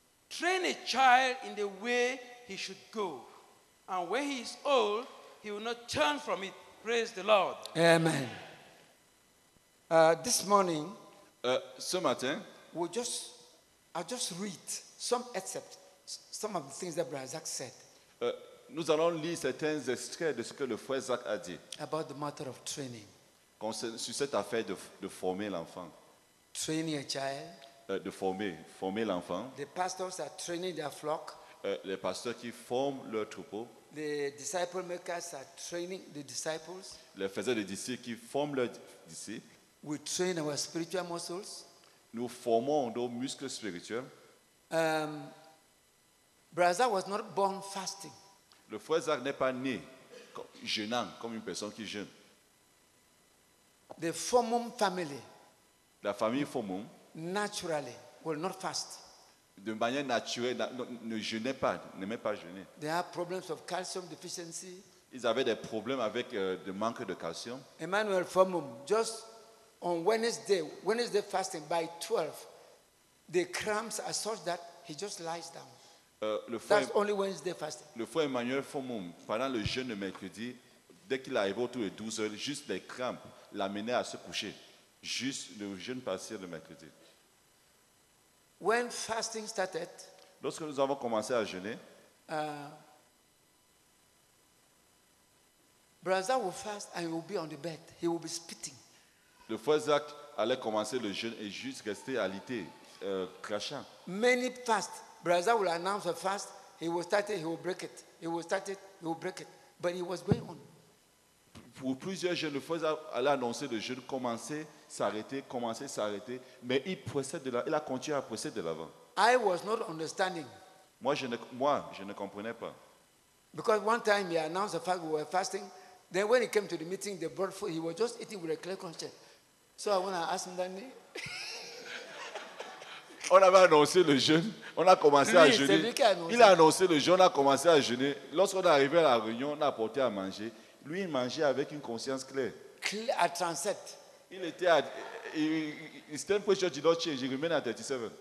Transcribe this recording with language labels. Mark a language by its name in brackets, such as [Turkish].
[English] Train a child in the way he should go. And when he is old, he will not turn from it. Praise the Lord. Amen. This morning, [French] ce matin, [English] I'll just read some excerpts, some of the things that Brother Zach said. [French] Nous allons lire certains extraits de ce que le frère Zach a dit. [English] About the matter of training. [French] Sur cette affaire de former l'enfant. [English] Training a child. [French] De former l'enfant. [English] The pastors are training their flock. [French] Les pasteurs qui forment leur troupeau. [English] The disciple makers are training the disciples. [French] Les faiseurs de disciples qui forment leurs disciples. [English] We train our spiritual muscles. [French] Nous formons nos muscles spirituels. [English] Brother was not born fasting. [French] Le frère Zach n'est pas né jeûnant comme une personne qui jeûne. [English] The Fomum family. [French] La famille Fomum. [English] Naturally, will not fast. [French] De manière naturelle, ne jeûnait pas, n'aimait pas jeûner. [English] They have problems of calcium deficiency. [French] Ils avaient des problèmes avec le manque de calcium. [English] Emmanuel Fomum, just on Wednesday fasting by 12, the cramps are such that he just lies down. Only Wednesday fasting. [French] Le frère Emmanuel Fomum, pendant le jeûne de mercredi, dès qu'il arrivait autour de 12 heures, juste les crampes l'amenaient à se coucher. Juste le jeûne passé le mercredi. [English] When fasting started, [French] lorsque nous avons commencé à jeûner, [English] Brother will fast and he will be on the bed. He will be spitting. [French] Le frère Zach allait commencer le jeûne et juste rester alité, crachant. [English] Many fast. Brother will announce a fast. He will start it. He will break it. He will start it. He will break it. But he was going on. [French] Pour plusieurs jeunes, le frère allait annoncer le jeûne, commencer, s'arrêter, mais il procède de là, il a continué à procéder de l'avant. [English] I was not understanding. [French] Moi, je ne comprenais pas. [English] Because one time he announced the fact we were fasting, then when he came to the meeting, they brought food. He was just eating with a clear conscience. So I went and asked him that name. [French] On avait annoncé le jeûne, on a commencé lui, à jeûner. Il a annoncé le jeûne, on a commencé à jeûner. Lorsqu'on est arrivé à la réunion, on a apporté à manger. Lui, il mangeait avec une conscience claire. Claire à 37. Il était à. Il était un peu chaud, il a changé, il remet à 37.